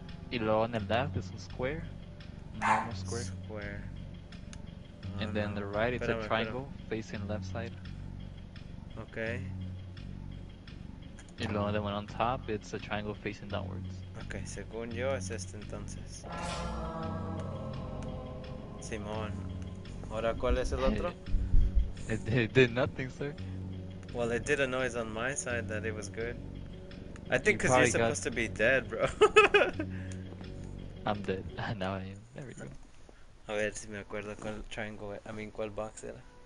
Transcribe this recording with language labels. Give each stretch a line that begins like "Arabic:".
Spanish: Y luego en el left es un square.
English: Normal square. Square. Oh, and then no. The right it's
Spanish: espérame,
English: a triangle espérame. Facing left side. Ok.
Spanish: Y luego
English: the one on top it's a triangle facing downwards.
Spanish: Ok, según yo es este entonces. Simón, ¿ahora cuál es el otro?
English: It did nothing, sir. Well, it did a noise on my side that it was good. I think because you're supposed to be dead, bro. I'm dead. Now I am. There we go.
Spanish: A ver si me acuerdo cuál
English: triangle, I mean,
Spanish: cuál box era.